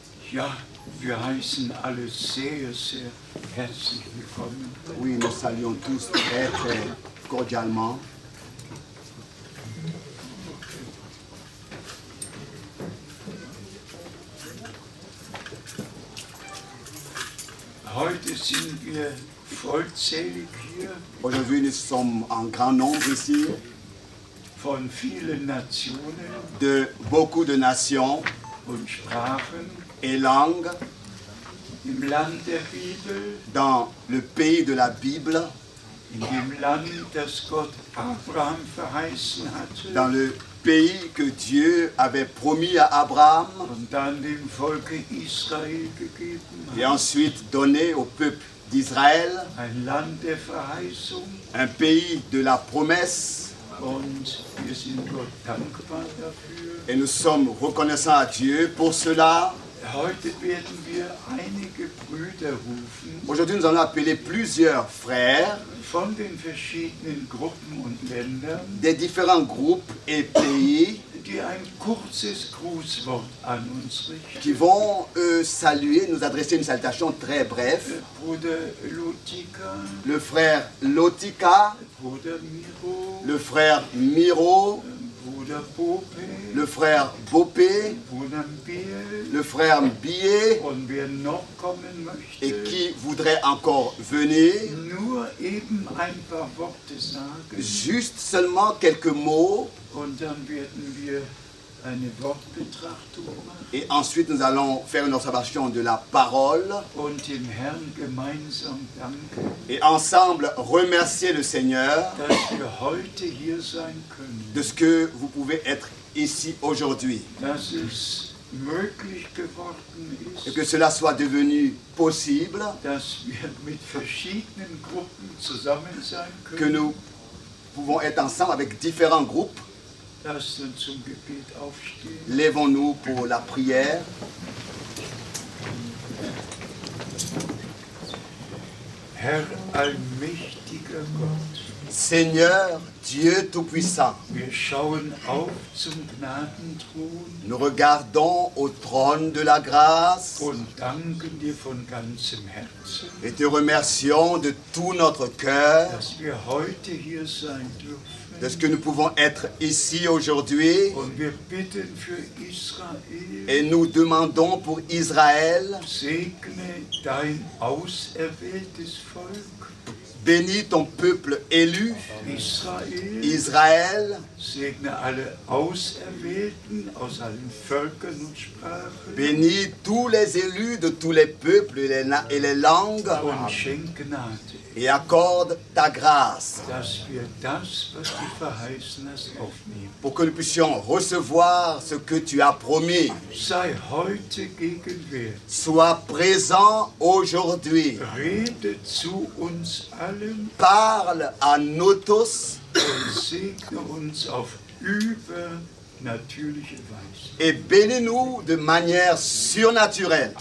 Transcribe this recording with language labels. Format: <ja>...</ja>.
<de>Ja, wir heißen alle sehr, sehr herzlich willkommen.</de> <fr>Oui, nous saluons tous très cordialement.</fr> <de>Heute sind wir vollzählig hier.</de> <fr>Aujourd'hui, nous sommes en grand nombre ici.</fr> <de>Von vielen Nationen.</de> <fr>De beaucoup de nations.</fr> <de>Und Sprachen.</de> <fr>Et langues.</fr> <de>Im Land der Bibel.</de> <fr>Dans le pays de la Bible.</fr> <de>In dem Land, das Gott Abraham verheißen hatte.</de> <fr>Dans le pays que Dieu avait promis à Abraham.</fr> <de>Und dann dem Volk Israel gegeben</de> <fr>hat. Et ensuite donné au peuple d'Israël.</fr> <de>Ein Land der Verheißung.</de> <fr>Un pays de la promesse.</fr> <de>Und wir sind Gott dankbar dafür.</de> <fr>Et nous sommes reconnaissants à Dieu pour cela.</fr> <de>Heute werden wir einige Brüder rufen.</de> <fr>Aujourd'hui, nous allons appeler plusieurs frères.</fr> <de>Von den verschiedenen Gruppen und Ländern.</de> <fr>Des différents groupes et pays.</fr> <de>Die ein kurzes Grußwort an uns richten.</de> <fr>Qui vont saluer, nous adresser une salutation très bref.</fr> <de>Bruder Lotika.</de> <fr>Le frère Lotika.</fr> <de>Bruder Miro.</de> <fr>Le frère Miro.</fr> <de>Bruder Bopé.</de> <fr>Le frère Bopé.</fr> <de>Bruder Mbille.</de> <fr>Le frère Mbille.</fr> <de>Und wer noch kommen möchte.</de> <fr>Et qui voudrait encore venir.</fr> <de>Nur eben ein paar Worte sagen.</de> <fr>Juste seulement quelques mots.</fr> <de>Und dann werden wir eine Wortbetrachtung machen.</de> <fr>Et ensuite nous allons faire une observation de la parole.</fr> <de>Und dem Herrn gemeinsam danken.</de> <fr>Et ensemble remercier le Seigneur.</fr> <de>Dass wir heute hier sein können.</de> <fr>De ce que vous pouvez être ici aujourd'hui.</fr> <de>Dass es möglich geworden ist.</de> <fr>Et que cela soit devenu possible.</fr> <de>Dass wir mit verschiedenen Gruppen zusammen sein können.</de> <fr>Que nous pouvons être ensemble avec différents groupes.</fr> <de>Zum Gebet aufstehen.</de> <fr>Lèvons-nous pour la prière.</fr> <de>Herr allmächtiger Gott.</de> <fr>Seigneur Dieu Tout-Puissant.</fr> <de>Wir schauen auf zum Gnadenthron.</de> <fr>Nous regardons au trône de la grâce.</fr> <de>Und danken dir von ganzem Herzen.</de> <fr>Et te remercions de tout notre cœur.</fr> <de>Dass wir heute hier sein dürfen.</de> <fr>De ce que nous pouvons être ici aujourd'hui.</fr> <de>Und wir bitten für Israel.</de> <fr>Et nous demandons pour Israël.</fr> <de>Segne dein auserwähltes Volk.</de> <fr>Bénis ton peuple élu.</fr> <de>Israel.</de> <fr>Israël.</fr> <de>Segne alle Auserwählten aus allen Völkern und Sprachen.</de> <fr>Bénis tous les élus de tous les peuples et les langues.</fr> <de>Und schenke Gnade.</de> <fr>Et accorde ta grâce</fr> <de>dass wir das, was du verheißen hast, aufnehmen.</de> <fr>Pour que nous puissions recevoir ce que tu as promis.</fr> <de>Sei heute gegenwärtig.</de> <fr>Sois présent aujourd'hui.</fr> <de>Rede zu uns allen.</de> <fr>Parle à nous tous.</fr> <de>Und segne uns auf übernatürliche Weise.</de> <fr>Et bénis-nous de manière surnaturelle.</fr>